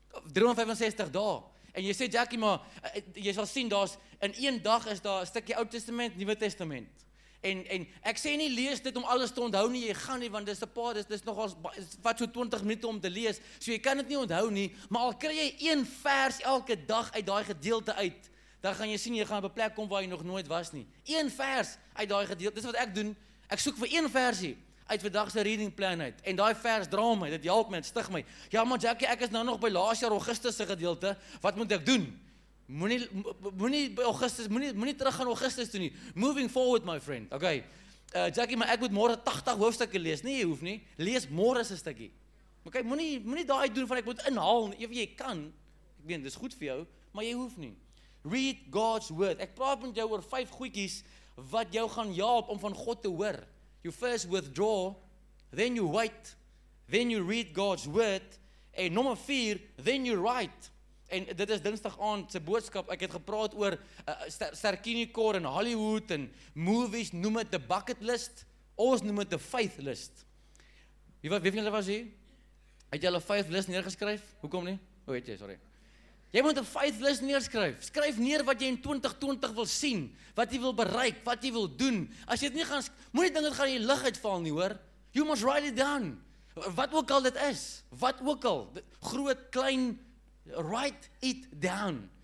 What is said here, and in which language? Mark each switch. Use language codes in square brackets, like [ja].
[af] 365 dae, en jy sê, Jackie, maar, jy sal sien, daar is, in 1 dag is daar, stukkie Oud Testament, Nuwe Testament, en ek sê nie, lees dit om alles te onthou nie, jy gaan nie, want dit is 'n paar, dit is nogal, wat so 20 minute om te lees, so jy kan dit nie onthou nie, maar al kry jy 1 vers elke dag uit daai gedeelte uit, dan gaan jy sien, jy gaan op 'n plek kom waar jy nog nooit was nie. Een vers uit daai gedeelte, dis wat ek doen, ek soek vir een versie uit vandag se reading plan uit, en daai vers dra my, dit help my, dit stig my. Ja, maar Jackie, ek is nou nog by laas jaar Augustus se gedeelte, wat moet ek doen? Moenie terug gaan Augustus toe nie. [en] Moving forward, my friend, ok. [af] Jackie, maar ek moet môre 80 hoofstukke lees, nie, jy hoef nie, lees môre se stukkie. Ok, moenie daai doen van ek moet inhaal, nie, jy kan, ek meen, dis goed vir jou, maar jy hoef nie. [en] Read God's word. [af] Ek praat met jou oor 5 goedjies wat jou gaan help om van God te hoor. [en] You first withdraw, then you wait, then you read God's word, [af] en nommer 4, [en] then you write. [af] En dit is Dinsdag aand se boodskap. Ek het gepraat oor Sarkinikor en Hollywood en movies, noem dit 'n bucket list, ons noem dit 'n faith list. Wie van julle was hier? Het julle 5 list neergeskryf? Hoekom nie? Hoe weet jy, sorry. Jy moet 'n 5 list neerskryf. Skryf neer wat jy in 2020 wil sien, wat jy wil bereik, wat jy wil doen. As jy dit nie gaan, moenie dinge gaan in die lug uitval nie, hoor. [en] You must write it down. [af] Wat ook al dit is, wat ook al, groot, klein, [en] write it down.